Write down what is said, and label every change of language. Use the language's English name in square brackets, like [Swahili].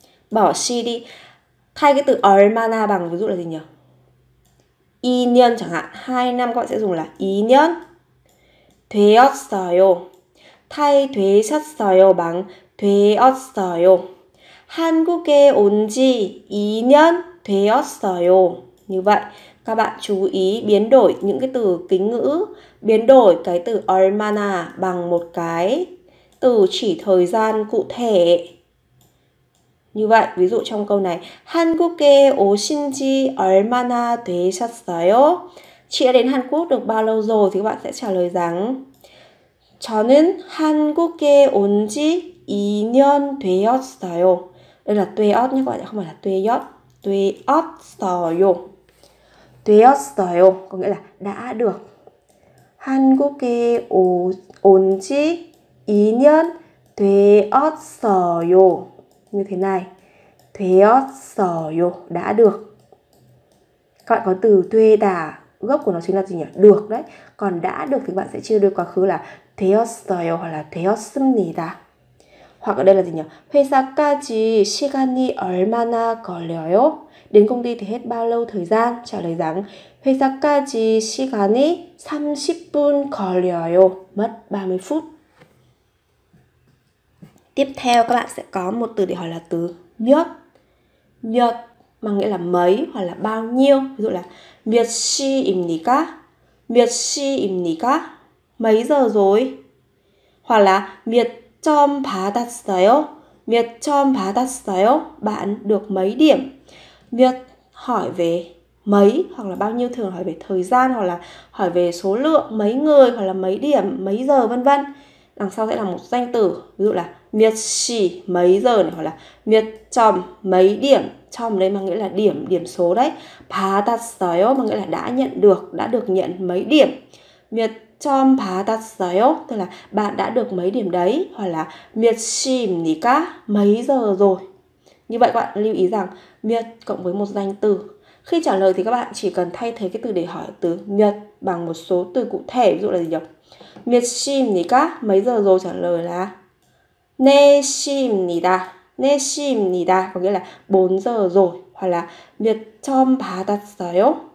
[Vietnamese] Bỏ 시 đi. Thay cái từ 얼마나 bằng ví dụ là gì nhỉ? 2년 chẳng hạn. 2 năm các bạn sẽ dùng là 2년. 되었어요. Thay 되셨어요 bằng 되었어요. [Korean] 한국에 온 지 2년 되었어요. [Vietnamese] Như vậy, các bạn chú ý biến đổi những cái từ kính ngữ, biến đổi cái từ 얼마나 bằng một cái từ chỉ thời gian cụ thể. Như vậy, ví dụ trong câu này, [Korean] 한국에 오신 지 얼마나 되셨어요? [Vietnamese] Chị đã đến Hàn Quốc được bao lâu rồi? Thì các bạn sẽ trả lời rằng [Korean] 저는 한국에 온 지 2년 되었어요. [Vietnamese] Đây là 되었 nhé các bạn, không phải là 되었. [Korean] 되었어요. [Vietnamese] 되었어요 có nghĩa là đã được. [Korean] 한국에 온 지 2년 되었어요. [Vietnamese] Như thế này. 되었어요. Đã được. Các bạn có từ 되다. Gốc của nó chính là gì nhỉ? Được đấy. Còn đã được thì các bạn sẽ chưa được quá khứ là 되었어요 hoặc là 되었습니다. Hoặc ở đây là gì nhỉ? [Korean] 회사까지 시간이 얼마나 걸려요? [Vietnamese] Đến công ty thì hết bao lâu thời gian? Trả lời rằng [Korean] 회사까지 시간이 30분 걸려요. [Vietnamese] Mất 30 phút. Tiếp theo các bạn sẽ có một từ để hỏi là từ 몇. 몇 mà nghĩa là mấy hoặc là bao nhiêu. Ví dụ là [Korean] 몇 시입니까? 몇 시입니까? [Vietnamese] Mấy giờ rồi? Hoặc là 몇 점 받았어요? [Korean] 몇 점 받았어요? [Vietnamese] Bạn được mấy điểm? 몇 hỏi về mấy hoặc là bao nhiêu, thường hỏi về thời gian hoặc là hỏi về số lượng, mấy người hoặc là mấy điểm, mấy giờ vân vân. Đằng sau sẽ là một danh từ, ví dụ là 몇 시 mấy giờ này, hoặc là 몇 점 mấy điểm. 점 đây mà nghĩa là điểm, điểm số đấy. 받았어요 mà nghĩa là đã nhận được, đã được nhận mấy điểm. [Korean] 몇 점 받았어요 [Vietnamese] tức là bạn đã được mấy điểm đấy, hoặc là [Korean] 몇 시입니까 [Vietnamese] mấy giờ rồi. Như vậy các bạn lưu ý rằng 몇 cộng với một danh từ. Khi trả lời thì các bạn chỉ cần thay thế cái từ để hỏi từ 몇 bằng một số từ cụ thể, ví dụ là gì nhỉ? [Korean] 몇 시입니까? [Vietnamese] Mấy giờ rồi? Trả lời là [Korean] 네 시입니다. 네 시입니다. [Vietnamese] Có nghĩa là 4 giờ rồi. Hoặc là [Korean] 몇 점 받았어요?